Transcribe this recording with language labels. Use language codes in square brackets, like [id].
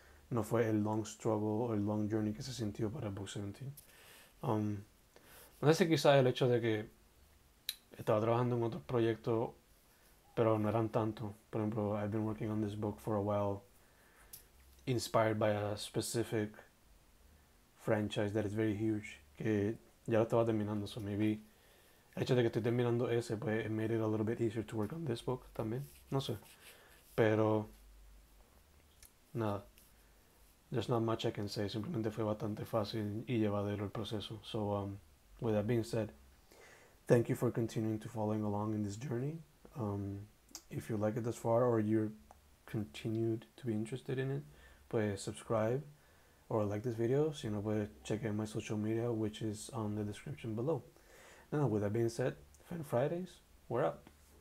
[es] No fue el long struggle o el long journey que se sintió para Book 17. No sé si quizás el hecho de que estaba trabajando en otros proyectos, pero no eran tanto. Por ejemplo, [en] I've been working on this book for a while, inspired by a specific franchise that is very huge, [es] que ya lo estaba terminando. [en] So maybe [es] el hecho de que estoy terminando ese, pues, [en] it made it a little bit easier to work on this book [es] también. No sé. Pero, nada. [en] There's not much I can say. [es] Simplemente fue bastante fácil y llevadero el proceso. [en] So, with that being said, thank you for continuing to following along in this journey. If you like it thus far or you're continued to be interested in it, [es] pues, [en] subscribe or like this video. [es] Si no, pues, [en] check out my social media, which is on the description below. Now, with that being said, FEN Fridays, we're up.